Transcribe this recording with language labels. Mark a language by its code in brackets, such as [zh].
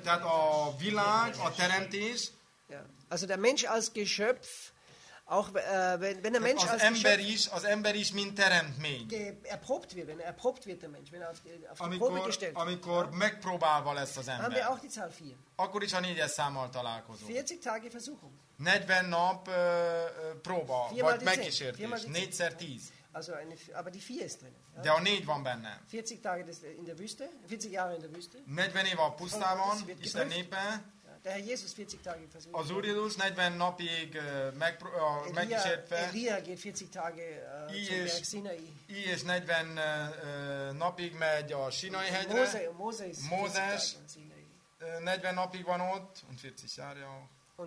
[hu] Tehát a világ, a teremtés. [de] Also der Mensch als Geschöpf. Auch wenn der Mensch [hu] Az ember is, mint teremtmény. [de] Erprobt wird der Mensch, wenn auf die Probe gestellt wird. [hu] Amikor megpróbálva lesz az ember. [de] Haben wir auch die Zahl 4. [hu] Akkor is a négyes számmal találkozunk. [de] 40 Tage Versuchung. [hu] 40 nap próba, vagy megkísértés. [de] 4x10. Also eine, aber die 4 ist drin. [hu] Ja? De a 4 van benne. [de] 40 Tage in der Wüste, 40 Jahre in der Wüste. [hu] 40 év a pusztában, Isten népe. [de] Der Herr Jesus 40 Tage versucht. [hu] Az Úr Jézus 40 napig megkísértve. [de] Elia geht 40 Tage zum Berg Sinai. [hu] 40 napig megy a Sinai hegyre. Mózes 40 napig van ott, [de] und 40 Jahre auch.